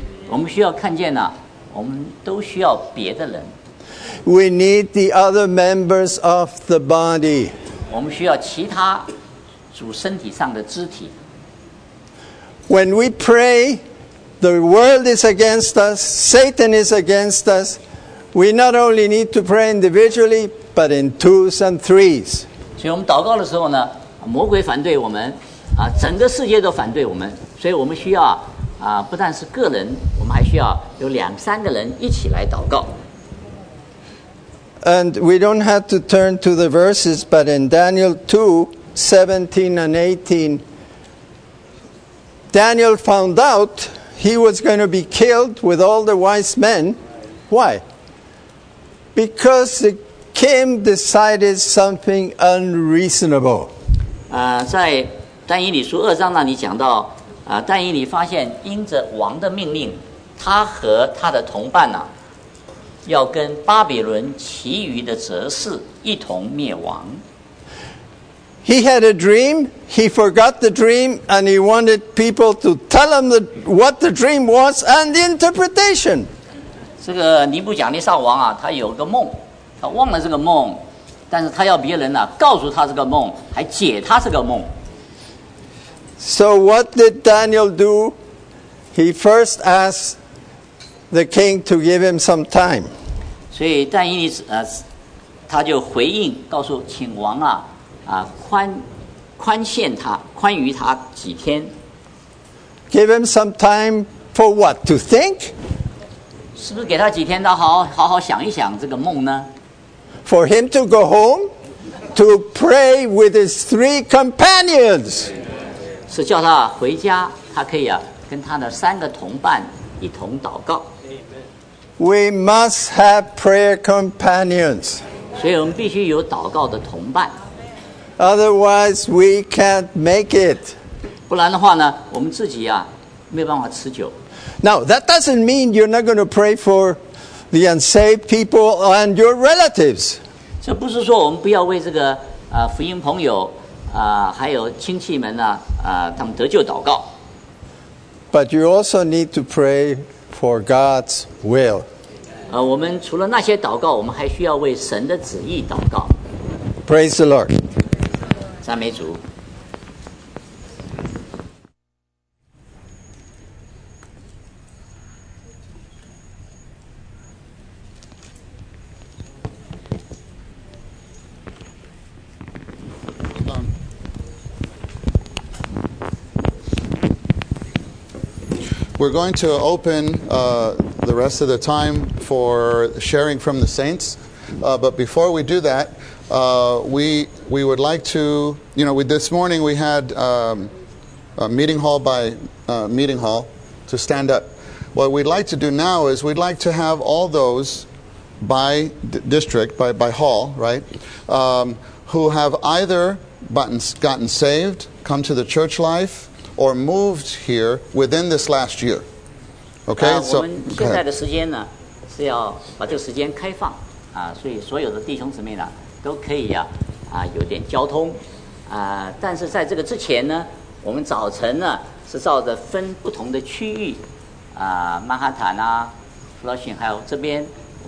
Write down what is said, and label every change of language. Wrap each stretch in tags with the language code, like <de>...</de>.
<zh>我们需要看见呢，我们都需要别的人。</zh> <en>We need the other members of the body.</en> <zh>我们需要其他主身体上的肢体。</zh> <en>When we pray, the world is against us. Satan is against us. We not only need to pray individually, but in twos and threes.</en> <zh>所以我们祷告的时候呢，魔鬼反对我们，整个世界都反对我们，所以我们需要不但是个人，我们还需要有两三个人一起来祷告。</zh> <en>And we don't have to turn to the verses, but in Daniel 2:17-18, Daniel found out he was going to be killed with all the wise men. Why? Because the king decided something unreasonable.</en> <zh>在但以理书二章那里讲到，但以理发现因着王的命令，他和他的同伴呢，要跟巴比伦其余的哲士一同灭亡。</zh> <en>He had a dream. He forgot the dream, and he wanted people to tell him what the dream was and the interpretation.</en> <zh>这个尼布甲尼撒王啊，他有个梦，他忘了这个梦，但是他要别人呢、告诉他这个梦，还解他这个梦。</zh> <en>So what did Daniel do? He first asked the king to give him some time.</en> <zh>所以但以理他就回应，告诉请王啊宽于他几天。</zh> <en>Give him some time for what? To think?</en> <zh>是不是给他几天，他好好想一想这个梦呢</zh> <en>？For him to go home to pray with his three companions，</en> <zh>是叫他回家，他可以跟他的三个同伴一同祷告。</zh> <en>We must have prayer companions，</en> <zh>所以我们必须有祷告的同伴。</zh> <en>Otherwise, we can't make it。</en> <zh>不然的话呢，我们自己没办法持久。</zh> <en>Now, that doesn't mean you're not going to pray for the unsaved people and your relatives.</en> <zh>这不是说我们不要为这个福音朋友还有亲戚们呢他们得救祷告。</zh> <en>But you also need to pray for God's will.</en> <zh>我们除了那些祷告，我们还需要为神的旨意祷告。</zh> <en>Praise the Lord.</en> <zh>赞美主。</zh> <en>We're going to open the rest of the time for sharing from the saints. But before we do that, we would like to, this morning we had a meeting hall by meeting hall to stand up. What we'd like to do now is we'd like to have all those by district, by hall, right, who have either gotten saved, come to the church life,or moved here within this last year. Okay, so...</en> <zh>我们现在的时间呢是要把这个时间开放所以所有的弟兄姊妹呢都可以有点交通但是在这个之前呢我们早晨呢是照着分不同的区域曼哈坦啊 Flushing 还有这边我</zh>